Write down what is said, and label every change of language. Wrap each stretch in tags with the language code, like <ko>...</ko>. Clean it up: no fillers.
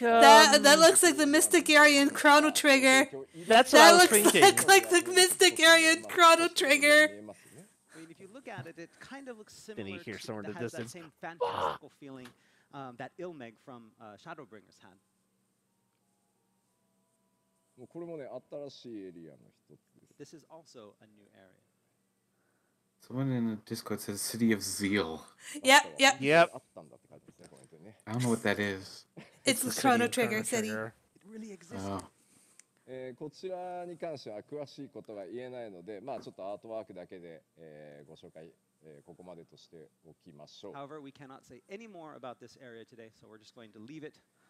<en>That looks like the Mystic Aryan Chrono Trigger. That's what I was thinking. That looks like the Mystic Aryan Chrono Trigger. If you look at it, it kind of looks similar to that, has that same fantastical feeling that Ilmeg from Shadowbringers had.</en> <ja>これもね、新しいエリアの一つです。</ja> <en>This is also a new area. Someone in the Discord says City of Zeal. Yep, yep. Yep.</en> <ja>あったんだって感じですね、コメントね。</ja> <en>I don't know what that is. It's the Chrono Trigger City. It really exists.</en> <ja>こちらに関しては詳しいことが言えないので、まあちょっとアートワークだけで、ご紹介、ここまでとしておきましょう。</ja> <en>However, we cannot say any more about this area today, so we're just going to leave it.</en>